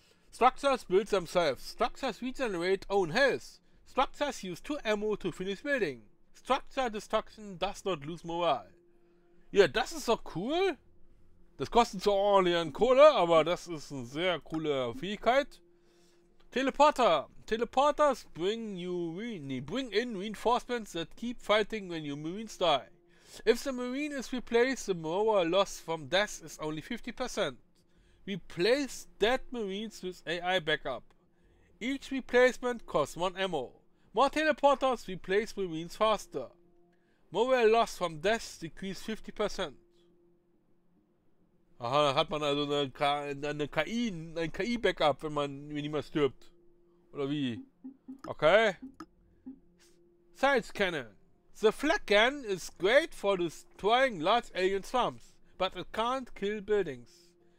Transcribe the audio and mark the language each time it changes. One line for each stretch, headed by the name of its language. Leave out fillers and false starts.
English: Structures build themselves. Structures regenerate own health. Structures use 2 ammo to finish building. Structure destruction does not lose morale.
German: Ja, das ist doch cool. Das kostet zwar ordentlich an Kohle, aber das ist eine sehr coole Fähigkeit. Teleporter.
English: Teleporters bring in reinforcements that keep fighting when your marines die. If the marine is replaced, the morale loss from death is only 50%. Replace dead marines with AI backup. Each replacement costs 1 ammo. More teleporters replace marines faster. Morale loss from death decreases 50%.
German: Aha, hat man also ein KI-Backup, wenn niemand stirbt. Oder wie? Okay. Science Cannon.
English: The Flak Gun is great for destroying large alien swarms, but it can't kill buildings.